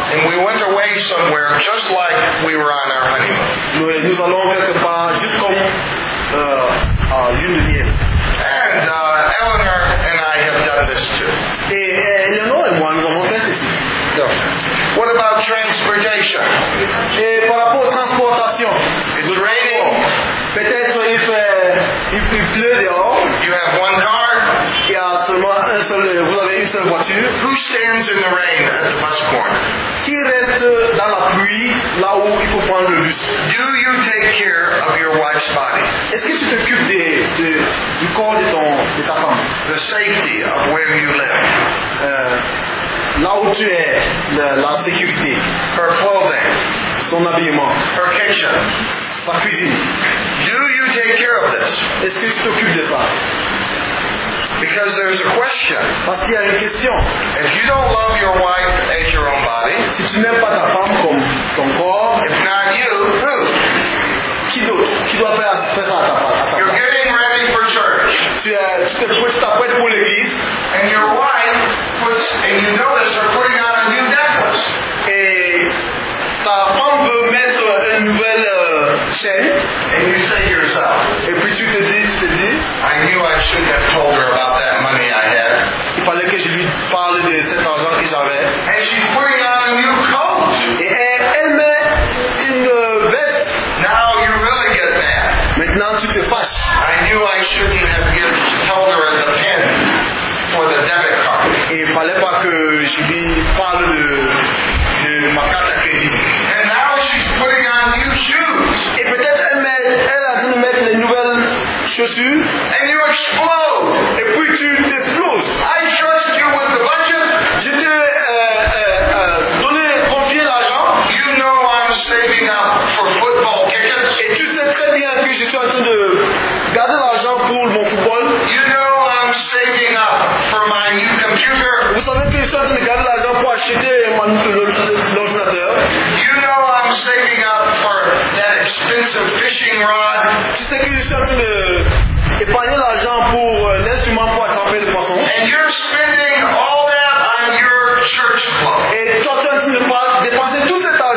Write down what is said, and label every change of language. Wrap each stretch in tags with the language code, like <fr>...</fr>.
<en>And we went away somewhere just like we were on our honeymoon.</en> <fr>Nous allons quelque part juste comme à lune de miel.</fr> <en>And Eleanor and I have done this too.</en> <fr>Et Eleanor et moi, nous avons fait ceci.</fr> <en>What about transportation?</en> <fr>Et par rapport à transportation,</fr> <en>is it raining?</en> <fr>Peut-être il pleut dehors.</fr> <en>You have one car.</en> <fr>Il y a seulement un seul. Vous avez une seule voiture.</fr> <en>Who stands in the rain at the bus corner?</en> <fr>Qui reste dans la pluie là où il faut prendre le bus?</fr> <en>Do you take care of your wife's body?</en> <fr>Est-ce que tu t'occupes du corps de ta femme?</fr> <en>The safety of where you live.</en> <fr>Là où tu es, la sécurité.</fr> <en>Her clothing.</en> <fr>Son habillement.</fr> <en>Her kitchen.</en> <fr>Sa cuisine.</fr> <en>Do you take care of this?</en> <fr>Est-ce que tu t'occupes de ça?</fr> <en>Because there's a question.</en> <fr>Parce qu'il y a une question.</fr> <en>If you don't love your wife as your own body,</en> <fr>si tu n'aimes pas ta femme comme ton corps,</fr> <en>if not you, who?</en> <fr>Qui d'autre? Qui doit faire ça à ta femme?</fr> <en>You're getting ready for church.</en> <fr>Tu te prêtes pour l'église.</fr> <en>And your wife puts, and you notice her putting on a new necklace.</en> <fr>Et ta femme veut mettre une nouvelle chaîne.</fr> <en>And you say to yourself,</en> <fr>et puis tu te dis,</fr> <en>I knew I shouldn't have told her about that money I had.</en> <fr>Il fallait que je lui parle de cet argent qu'ils avaient.</fr> <en>And she's putting on a new coat.</en> <fr>Et elle met une veste.</fr> <en>Now you really get mad.</en> <fr>Maintenant tu te fâches.</fr> <en>I knew I shouldn't have told her at the pen.</en> <fr>Et il fallait pas que je lui parle de ma carte à crédit.</fr> <en>And now she's putting on new shoes.</en> <fr>Et peut-être elle a dû mettre les nouvelles chaussures.</fr> <en>And you explode.</en> <fr>Et puis tu exploses.</fr> <en>I trust you with the budget.</en> <fr>Je t'ai confié l'argent.</fr> <en>You know I'm saving up for football tickets.</en> <fr>Et tu sais très bien que je suis en train de garder l'argent pour mon football.</fr> <en>You know saving up for my new computer.</en> <fr>Vous savez que je suis en train de garder l'argent pour acheter mon ordinateur.</fr> <en>You know I'm saving up for that expensive fishing rod.</en> <fr>Tu sais que je suis en train de épargner l'argent pour l'instrument pour attraper le poisson.</fr> <en>And you're spending all that on your church club.</en> <fr>Et toi, tu es en train de dépenser tout cet</fr>